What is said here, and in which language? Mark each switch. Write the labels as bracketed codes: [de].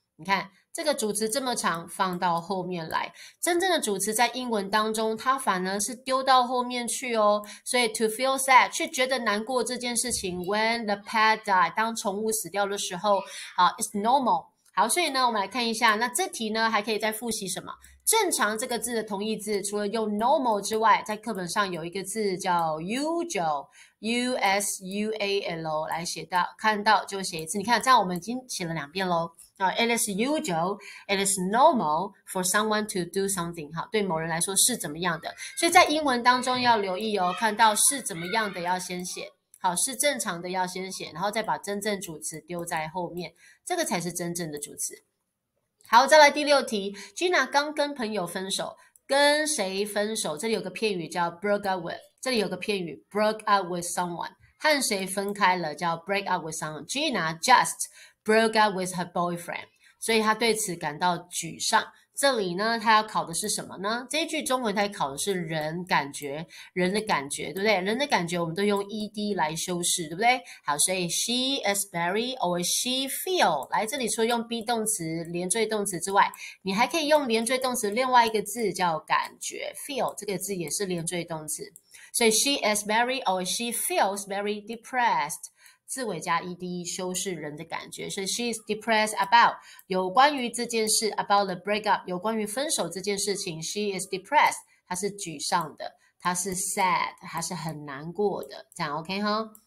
[zh] 你看这个主词这么长放到后面来，真正的主词在英文当中它反而是丢到后面去哦，所以 [en] to feel sad [zh] 去觉得难过这件事情 [en] when the pet died， [zh] 当宠物死掉的时候 [en] is normal。 [zh] 好，所以呢我们来看一下，那这题呢还可以再复习什么。正常这个字的同义字，除了用 normal 之外，在课本上有一个字叫 usual， usual 来写到，看到就写一次。你看，这样我们已经写了两遍喽。 [en] It is usual, it is normal for someone to do something， [zh] 好，对某人来说是怎么样的。所以在英文当中要留意哦，看到是怎么样的要先写，好，是正常的要先写，然后再把真正主词丢在后面，这个才是真正的主词。好，再来第六题。 Gina 刚跟朋友分手，跟谁分手，这里有个片语叫 broke up with， 这里有个片语 [en] broke up with someone， [zh] 和谁分开了叫 [en] break up with someone。 Gina just broke up with her boyfriend， [zh] 所以她对此感到沮丧。这里呢她要考的是什么呢？这一句中文她考的是人感觉，人的感觉，对不对？人的感觉我们都用 ed 来修饰，对不对？好，所以 [en] she is very or she feel， [zh] 来这里除了用 be 动词连缀动词之外，你还可以用连缀动词另外一个字叫感觉， feel 这个字也是连缀动词，所以 [en] she is very or she feels very depressed， [zh] 字尾加 ed 修饰人的感觉，所以 [en] she's depressed about， [zh] 有关于这件事， [en] about the breakup， [zh] 有关于分手这件事情， [en] she is depressed， [zh] 她是沮丧的，她是 sad， 她是很难过的，这样 OK 哈。